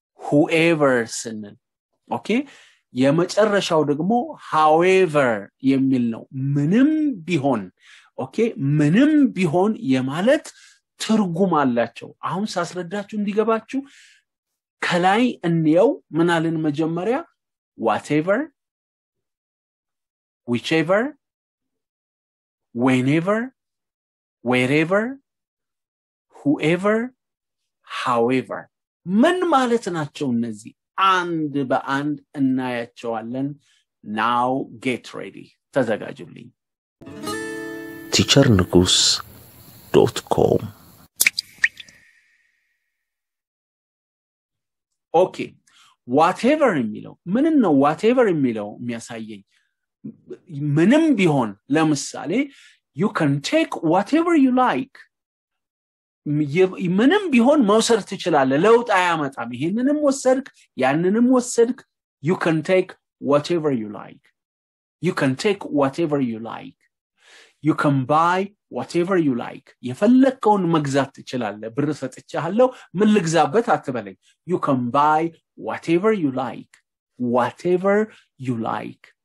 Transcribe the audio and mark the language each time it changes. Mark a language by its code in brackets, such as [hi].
[am] whoever ስንል። okay የመጨረሻው ደግሞ however የሚል ነው። ምንም ቢሆን okay ምንም ቢሆን የማለት ትርጉም አላቸው። አሁን ሳስረዳችሁ እንዲገባችሁ ከላይ እንየው ምን አለን መጀመሪያ? [en] whatever, whichever, whenever, wherever, whoever, however. [am] ምን ማለት ናቸው እነዚህ? አንድ በአንድ እናያቸዋለን። [en] now get ready [am] ተዘጋጁልኝ። teachernigus.com okay whatever የሚለው ምን ነው? whatever የሚለው የሚያሳየኝ ምንም ቢሆን ለምሳሌ [en] you can take whatever you like [am] ምንም ቢሆን መውሰድ ትችላለ ለውጥ አያመጣም ይሄንንም ወሰድክ ያንንም ወሰድክ [en] you can take whatever you like you can take whatever you like you can buy whatever you like [am] የፈለከውን መግዛት ትችላለ ብር ሰጥቻለሁ ምን ልግዛበት አትበለኝ [en] you can buy whatever you like whatever you like